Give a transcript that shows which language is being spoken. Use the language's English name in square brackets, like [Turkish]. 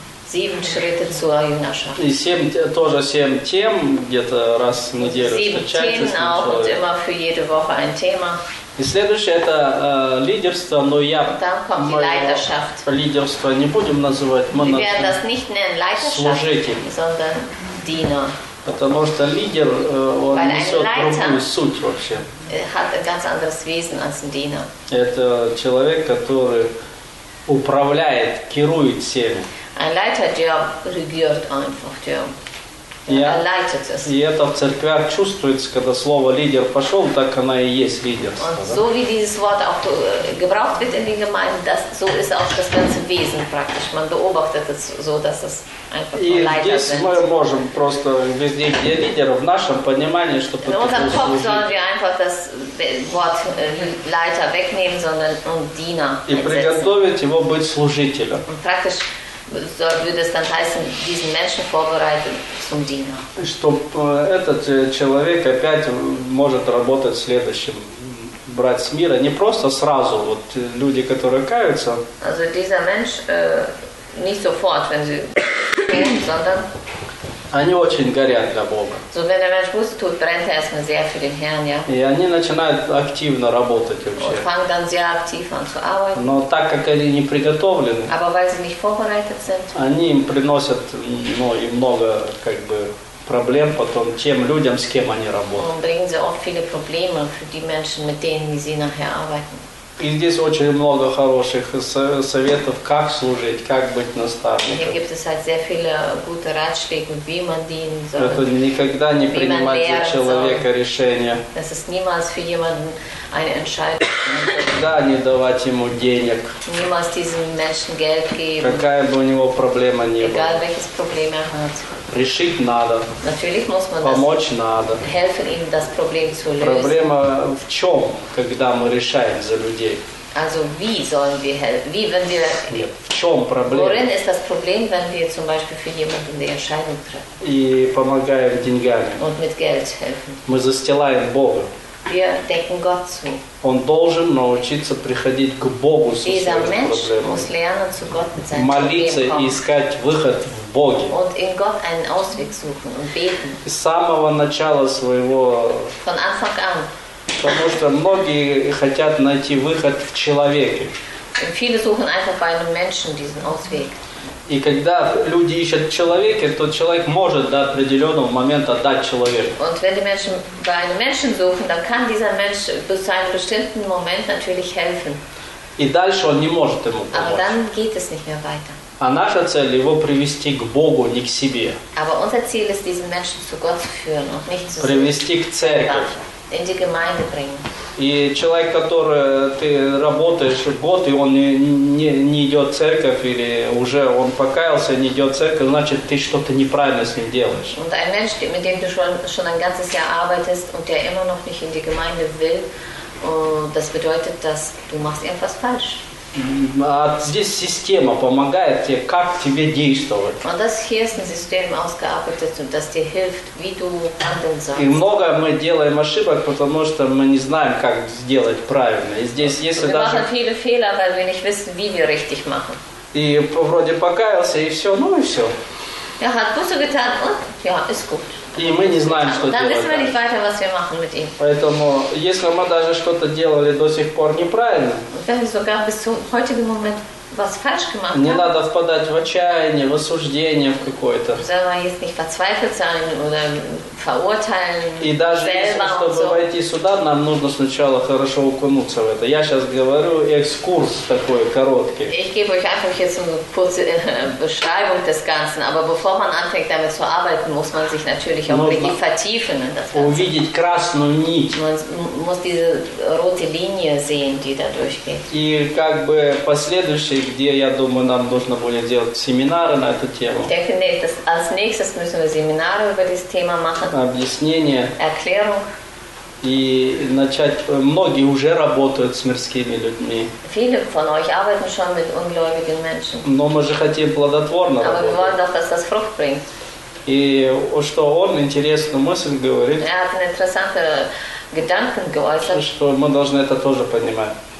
[German] Sieben Schritte zur Jüngerschaft. [Russian] И семь, тоже семь тем, где-то раз в неделю встречаются с ним человек. [German] Und immer für jede Woche ein Thema. [Russian] И следующее – это лидерство, но я лидерство не будем называть, мы называем служитель, [German] sondern Diener. [Russian] Потому что лидер, он [German] Weil [Russian] несет другую суть вообще. [German] Hat ein ganz anderes Wesen als ein Diener. [Russian] Это человек, который управляет, керует всеми. [German] Ein Leiter, der regiert einfach, der leitet es. [Russian] И это в церквях чувствуется, когда слово «лидер» пошел, так оно и есть лидерство. [German] Und so wie dieses Wort auch gebraucht wird in den Gemeinden, das, so ist auch das ganze Wesen praktisch. Man beobachtet es so, dass es einfach Leiter sind. [Russian] И здесь мы можем просто везде, где лидер, в нашем понимании, чтобы... [German] In unserem Kopf sollen wir einfach das Wort Leiter wegnehmen, sondern und Diener einsetzen. [Russian] И приготовить его быть служителем. [German] Und praktisch... So würde es dann heißen, diesen Menschen vorbereiten zum Diener. [Russian] Чтобы этот человек опять может работать в следующем брать с мира, не просто сразу, вот люди, которые каются. [German] Also dieser Mensch, nicht sofort, wenn sie kehrt, sondern... [Russian] Они очень горят для Бога. [German] So wenn der Mensch Buße tut, brennt erstmal sehr für den Herrn, ja. [Russian] И они начинают активно работать вообще. [German] Und fangen dann sehr aktiv an zu arbeiten. [Russian] Но так как они не приготовлены, [German] aber weil sie nicht vorbereitet sind, [Russian] они им приносят, ну, и много, как бы, проблем потом тем людям, с кем они работают. [German] Und bringen sie auch viele Probleme für die Menschen, mit denen sie nachher arbeiten. [Russian] И здесь очень много хороших советов, как служить, как быть наставником. [German] Hier gibt es halt sehr viele gute Ratschläge, wie man dienen soll. [Russian] Это никогда не принимать за человека решение. [German] Das ist niemals für jemanden eine Entscheidung. [Russian] Никогда не давать ему денег. [German] Niemals diesem Menschen Geld geben. [Russian] Какая бы у него проблема ни была. [German] Egal welches Problem er hat. [Russian] Решить надо. [German] Natürlich muss man [Russian] помочь [German] das [Russian] надо. [German] Helfen ihm, das Problem zu lösen. [Russian] Проблема в чем, когда мы решаем за людей? [German] Also wie sollen wir helfen? Wie, wenn wir... [Russian] В чем проблема? [German] Worin ist das Problem, wenn wir zum Beispiel für jemanden die Entscheidung treffen? [Russian] И помогаем деньгами. [German] Und mit Geld helfen. [Russian] Мы застилаем Бога. [German] Wir decken Gott zu. [Russian] Он должен научиться приходить к Богу со своими проблемами. [German] Dieser Mensch muss lernen, zu Gott mit seinen Problemen kommen. [Russian] Молиться и искать выход в Боге. [German] Und in Gott einen Ausweg suchen und beten. [Russian] С самого начала своего... [German] Von Anfang an. [Russian] Потому что многие хотят найти выход в человеке. [German] Und viele suchen einfach bei einem Menschen diesen Ausweg. [Russian] И когда люди ищут человека, то человек может до определенного момента дать человеку. [German] Und wenn die Menschen bei einem Menschen suchen, dann kann dieser Mensch bis zu einem bestimmten Moment natürlich helfen. [Russian] И дальше он не может ему помочь. [German] Aber dann geht es nicht mehr weiter. [Russian] А наша цель его привести к Богу, не к себе. [German] Aber unser Ziel ist, diesen Menschen zu Gott zu führen und nicht zu [Russian] привести к церкви. [German] In die Gemeinde bringen. [Russian] И человек, который ты работаешь год, и он не идет в церковь, или уже он покаялся, не идет в церковь, значит, ты что-то неправильно с ним делаешь. [German] Und ein Mensch, mit dem du schon ein ganzes Jahr arbeitest und der immer noch nicht in die Gemeinde will, das bedeutet, dass du machst irgendwas falsch. [Russian] А здесь система помогает тебе, как тебе действовать. [German] Und das hier ist ein System ausgearbeitet, das dir hilft, wie du handeln sollst. [Russian] И много мы делаем ошибок, потому что мы не знаем, как сделать правильно. И здесь, если [German] wir [Russian] даже... [German] machen viele Fehler, weil wir nicht wissen, wie wir richtig machen. [Russian] И вроде покаялся, и все, ну и все. [German] Ja, hat Buße getan und ja, ist gut. [Russian] И мы не знаем, что [German] dann [Russian] делать. [German] Dann wissen wir nicht weiter, was wir machen mit ihm. [Russian] Поэтому, если мы даже что-то делали до сих пор неправильно, [German] wenn wir sogar bis zum heutigen Moment was falsch gemacht haben, [Russian] не надо впадать в отчаяние, в осуждение в какое-то. [German] Sondern jetzt nicht verzweifelt sein oder verurteilen. [Russian] И даже если, чтобы войти сюда, нам нужно сначала хорошо укунуться в это. Я сейчас говорю экскурс такой короткий. [German] Ich gebe euch einfach jetzt eine kurze Beschreibung des Ganzen. Aber bevor man anfängt damit zu arbeiten, muss man sich natürlich auch wirklich vertiefen in das Ganze. [Russian] Увидеть красную нить. [German] Man muss diese rote Linie sehen, die da durchgeht. [Russian] И как бы последующие, где, я думаю, нам нужно будет делать семинары на эту тему. [German] Ich denke, nee, das, als nächstes müssen wir Seminare über dieses Thema machen. [Russian] Объяснение. [German] Erklärung. [Russian] И начать... Многие уже работают с мирскими людьми. [German] Viele von euch arbeiten schon mit ungläubigen Menschen. [Russian] Но мы же хотим плодотворно работать. [German] Aber wir wollen doch, dass das Frucht bringt. [Russian] И что он интересную мысль говорит. [German] Er hat einen interessanten Gedanken geäußert. [Russian] Что мы должны это тоже понимать.